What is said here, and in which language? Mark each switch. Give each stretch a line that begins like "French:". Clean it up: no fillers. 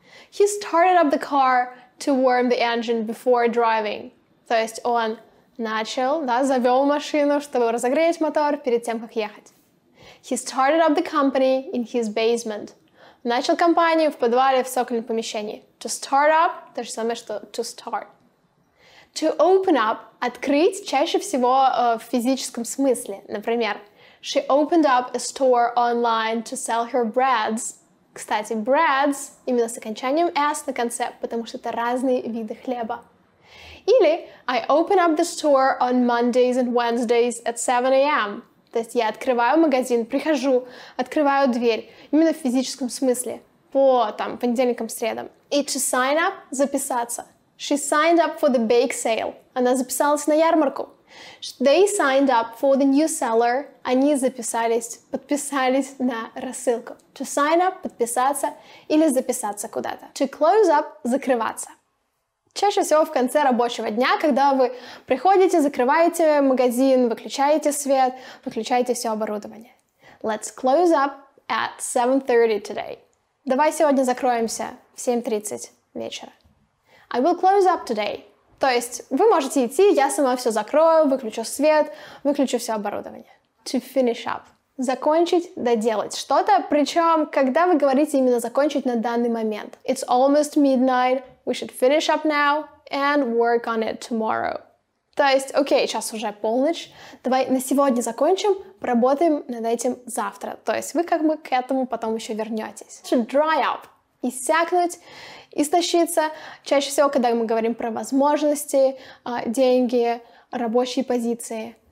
English: He started up the car to warm the engine before driving.
Russian: То есть он начал, да, завел машину, чтобы разогреть мотор перед тем, как ехать.
English: He started up the company in his basement.
Russian: Начал компанию в подвале в цокольном помещении.
English: To start up,
Russian: то же самое, что
English: to start. To open up,
Russian: открыть, чаще всего в физическом смысле. Например,
English: she opened up a store online to sell her breads.
Russian: Кстати, breads именно с окончанием s на конце, потому что это разные виды хлеба. Или
English: I open up the store on Mondays and Wednesdays at 7 a.m.
Russian: То есть я открываю магазин, прихожу, открываю дверь, именно в физическом смысле, по там, понедельникам, средам.
English: И to sign up —
Russian: записаться.
English: She signed up for the bake sale.
Russian: Она записалась на ярмарку.
English: They signed up for the new seller.
Russian: Они записались, подписались на рассылку.
English: To sign up
Russian: — подписаться или записаться куда-то.
English: To close up
Russian: — закрываться. Чаще всего в конце рабочего дня, когда вы приходите, закрываете магазин, выключаете свет, выключаете все оборудование.
English: Let's close up at 7:30 today.
Russian: Давай сегодня закроемся в 7:30 вечера.
English: I will close up today.
Russian: То есть вы можете идти, я сама все закрою, выключу свет, выключу все оборудование.
English: To finish up.
Russian: Закончить, доделать что-то, причем, когда вы говорите именно закончить на данный момент.
English: It's almost midnight. We should finish up now and work on it tomorrow.
Russian: То есть, окей, сейчас уже полночь, давай на сегодня закончим, поработаем над этим завтра. То есть вы как бы к этому потом еще вернетесь.
English: To dry up.
Russian: Иссякнуть, истощиться. Чаще всего, когда мы говорим про возможности, деньги, рабочие позиции.